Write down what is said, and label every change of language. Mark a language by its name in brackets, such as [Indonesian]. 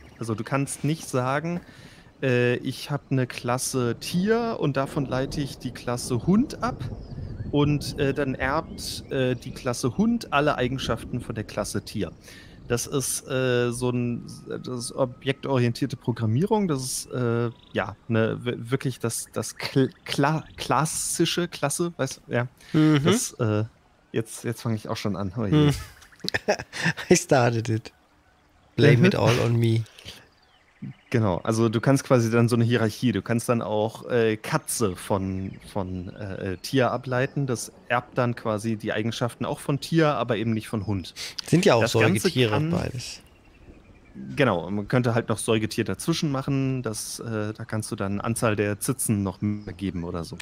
[German] Also du kannst nicht sagen, ich habe eine Klasse Tier und davon leite ich die Klasse Hund ab und dann erbt die Klasse Hund alle Eigenschaften von der Klasse Tier. Das ist das ist objektorientierte Programmierung. Das ist ja ne, wirklich das klassische Klasse, weißt, ja. Das jetzt fange ich auch schon an. Oh je. [English] I started it. Blame it all on me. [German] Genau, also du kannst quasi dann so eine Hierarchie, du kannst dann auch Katze von Tier ableiten. Das erbt dann quasi die Eigenschaften auch von Tier, aber eben nicht von Hund. Sind ja auch das Säugetiere kann, beides. Genau, man könnte halt noch Säugetier dazwischen machen. Da kannst du dann Anzahl der Zitzen noch mehr geben oder so.